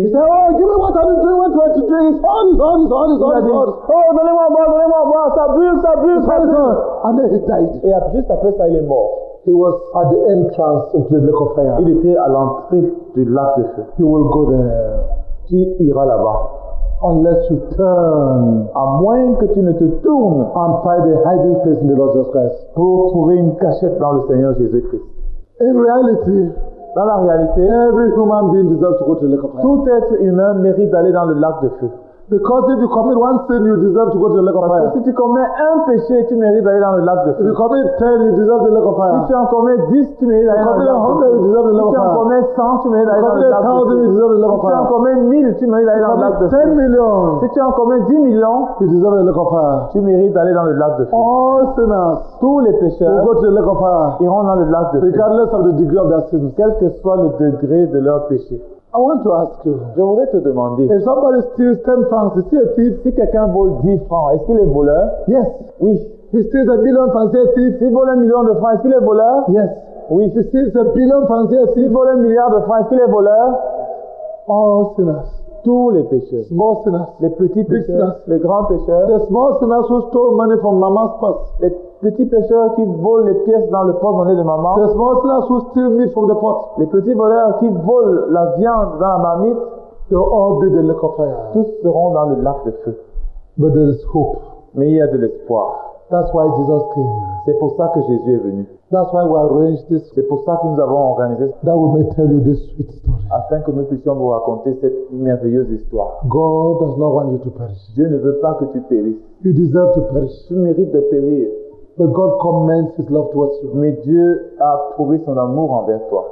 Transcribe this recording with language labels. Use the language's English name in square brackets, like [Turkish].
[English] He said, oh, give me what I need to drink, what I need to drink. It's hot, it's hot, it's hot, it's hot, it's hot. Oh, [French] donnez-moi, ça brûle. [English] It's hot, it's hot. And then he died. [French] Et juste après ça, il est mort. [English] He was at the entrance into the lake of fire. [French] Il était à l'entrée du lac de feu. [English] He will go there. [French] Tu iras là-bas. [English] Unless you turn, [French] à moins que tu ne te tournes, [English] and find a hiding place in the Lord Jesus Christ, [French] pour trouver une cachette dans le Seigneur Jésus Christ. [English] In reality, [French] dans la réalité, [English] every human being deserves to go to the lake of fire. [French] Tout être humain mérite d'aller dans le lac de feu. [English] Because if you commit one sin, you deserve to go to the lake of fire. [French] Si tu commets un péché, tu mérites d'aller dans le lac de feu. [English] If you commit 10, you deserve the lake of fire. [French] Si tu en commets 10, tu mérites d'aller dans le lac de feu. [English] If you commit 100, you deserve the lake of fire. [French] 100, tu mérites d'aller dans le lac de feu. Si tu as en commun 1000, tu mérites d'aller dans le lac de feu. 10 millions. Si tu as en commun 10 millions, tu mérites d'aller dans le lac de feu. [English] Oh, sinners. [French] Tous les pécheurs iront dans le lac de feu. [English] Regardless of the degree of their sins. [French] Quel que soit le degré de leur péché. [English] I want to ask you. [French] Je voudrais te demander. [English] If somebody steals 10 francs, is he a thief? [French] Si quelqu'un vole 10 francs, est-ce qu'il est voleur? [English] Yes. [French] Oui. [English] He steals a million francs, is he a thief? [French] S'il vole un million de francs, est-ce qu'il est voleur? [English] Yes. [French] Oui. [English] He steals a billion francs, is he a thief? [French] S'il vole un milliard de francs, est-ce qu'il est voleur? [English] All sinners. [French] Tous les pécheurs. [English] Small sinners. [French] Les petits pécheurs. [English] Big sinners. [French] Les grands pécheurs. [English] The small sinners who stole money from mama's purse. [French] Les petits pécheurs qui volent les pièces dans le porte-monnaie de maman. [English] The small sinners who steal meat from the pot. [French] Les petits voleurs qui volent la viande dans la marmite. [English] They'll all be in the lake of fire. [French] Tous seront dans le lac de feu. [English] But there is hope. [French] Mais il y a de l'espoir. [English] That's why Jesus came. [French] C'est pour ça que Jésus est venu. [English] That's why we arranged this. [French] C'est pour ça que nous avons organisé. [English] That we may tell you this sweet story. [French] Afin que nous puissions vous raconter cette merveilleuse histoire. [English] God does not want you to perish. [French] Dieu ne veut pas que tu périsses. [English] You deserve to perish. [French] Tu mérites de périr. [English] But God commends His love towards you. [French] Mais Dieu a prouvé son amour envers toi.